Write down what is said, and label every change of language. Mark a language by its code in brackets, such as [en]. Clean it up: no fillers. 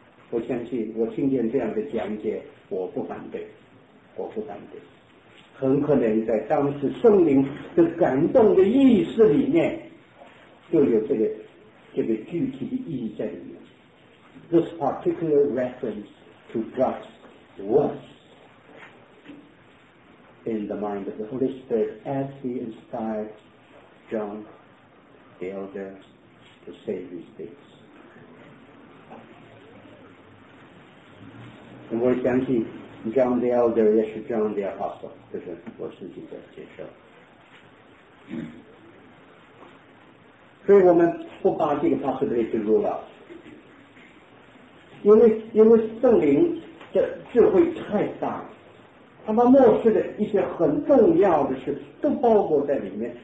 [zh] 我相信我听见这样的讲解，我不反对，我不反对。很可能在当时圣灵的感动的意识里面，就有这个具体的意义在里面。 [en] This particular reference to God was in the mind of the Holy Spirit as he inspired John the Elder to say these things. [zh] 我相信 John the Elder 也是 John the Apostle， 这是我自己的解释。所以我们不把这个 [en] possibility rule out， [zh] 因为圣灵的智慧太大了，他把末世的一些很重要的事都包裹在里面。